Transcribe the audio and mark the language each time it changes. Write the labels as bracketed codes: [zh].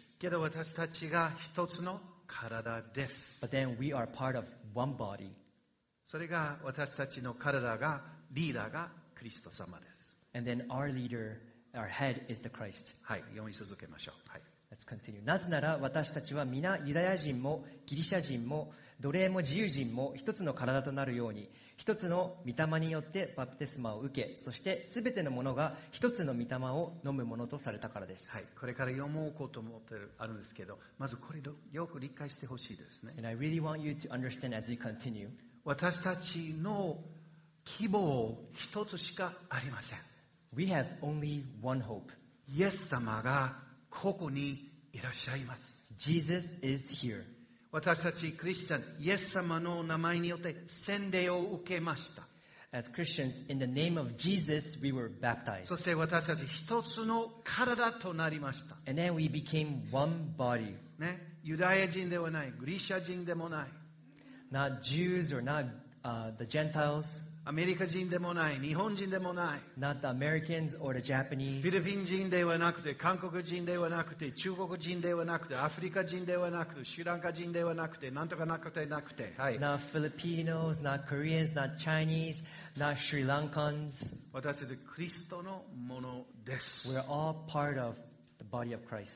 [ja] けど私たちが一つの体です。 [en] But then we are part of one body. [ja] それが私たちの体が、リーダーがクリスト様です。 [en] And then our leader, our head is the Christ. [ja] はい、読み続けましょう。はい。 [en] Let's continue. [ja] なぜなら私たちは皆ユダヤ人もギリシャ人も奴隷も自由人も一つの体となるように一つの御霊によってバプテスマを受けそしてすべてのものが一つの御霊を飲むものとされたからです、はい、これから読もうこうと思ってるあるんですけどまずこれよく理解してほしいですね [en] And I really want you to understand as you continue. [ja] 私たちの希望一つしかありません [en] We have only one hope [ja] イエス様がここにいらっしゃいます [en] Jesus is here [ja] 私たちクリスチャンイエス様の名前によって洗礼を受けました [en] As Christians, in the name of Jesus, we were baptized [ja] そして私たち一つの体となりました [en] And then we became one body、 [ja] ね、ユダヤ人ではないギリシャ人でもない [en] Not Jews or not、the Gentiles [ja] アメリカ人でもない、日本人でもない。 [en] Not the Americans or the Japanese. [ja] フィリピン人ではなくて、韓国人ではなくて、中国人ではなくて、アフリカ人ではなくて、シュランカ人ではなくて、なんとかなくてなくて。はい。 [en] Not Filipinos, not Koreans, not Chinese, not Sri Lankans. [ja] 私たちはクリストのものです。 [en] We're all part of the body of Christ.